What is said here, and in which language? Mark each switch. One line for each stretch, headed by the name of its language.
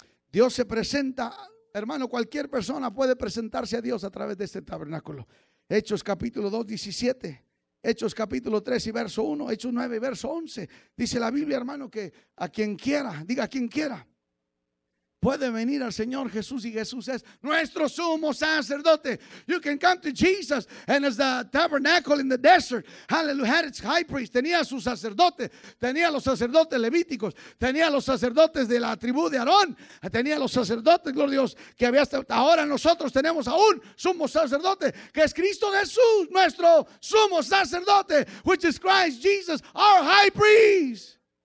Spanish: Dios se presenta, hermano, cualquier persona puede presentarse a Dios a través de este tabernáculo. Hechos capítulo 2, 17. Hechos capítulo 3 y verso 1. Hechos 9 y verso 11. Dice la Biblia, hermano, que a quien quiera, diga a quien quiera, puede venir al Señor Jesús, y Jesús es nuestro sumo sacerdote.
English: You can come to Jesus, and it's the tabernacle in the desert. Hallelujah, had its high priest.
Spanish: Tenía su sacerdote, tenía los sacerdotes levíticos, tenía los sacerdotes de la tribu de Aarón, tenía los sacerdotes, gloria a Dios, que había hasta ahora. Nosotros tenemos aún sumo sacerdote, que es Cristo Jesús, nuestro sumo sacerdote,
English: which is Christ Jesus, our high priest.